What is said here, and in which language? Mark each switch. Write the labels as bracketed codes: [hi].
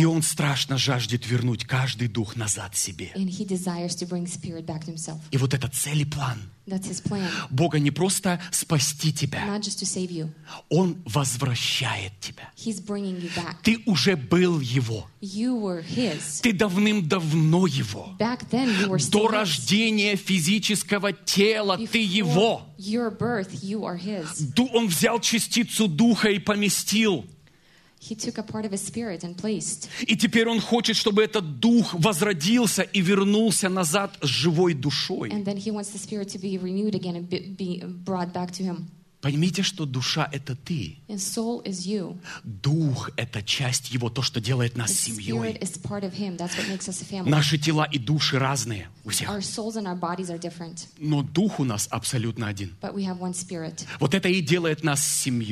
[ru] И он страшно жаждет вернуть каждый дух назад себе. [en] And he desires to bring spirit back to himself. [ru] И вот это цель и план. [en] That's his plan. [ru] Бога не просто спасти тебя. [en] Not just to save you. [ru] Он возвращает тебя. [en] He's bringing you back. [ru] Ты уже был его. [en] You were his. [ru] Ты давным-давно его. [en] Back then you were [ru] До рождения физического тела [en] Before [ru] ты его. [en] Your birth, you are his. [ru] Он взял частицу духа и поместил. [en] He took a part of his spirit and placed. [ru] И теперь он хочет, чтобы этот дух возродился и вернулся назад с живой душой. [en] And then he wants the spirit to be renewed again and be brought back to him. [ru] Поймите, что душа — это ты. [en] And soul is you. [ru] Дух — это часть его, то, что делает нас семьей. [en] The spirit is part of him. That's what makes us a family. [ru] Наши тела и души разные у всех. [en] Our souls and our bodies are different. [ru] Но дух у нас абсолютно один. [en] But we have one spirit. [ru] Вот это и делает нас семьей